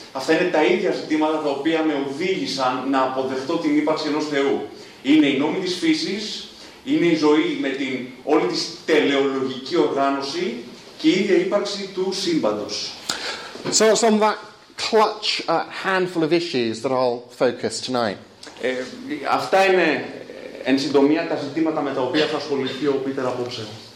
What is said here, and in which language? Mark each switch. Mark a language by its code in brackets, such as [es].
[el] Αυτά είναι τα ίδια ζητήματα τα οποία με οδήγησαν να αποδεχτώ την ύπαρξη ενός Θεού. Είναι η νόμη της φύσης, είναι η ζωή με την όλη τη τελεολογική οργάνωση και η ίδια ύπαρξη του σύμπαντος. [en] So it's on that clutch a handful of issues that I'll focus tonight. [el] Αυτά είναι εν συντομία τα ζητήματα με τα οποία θα ασχοληθεί ο Πίτερ απόψε.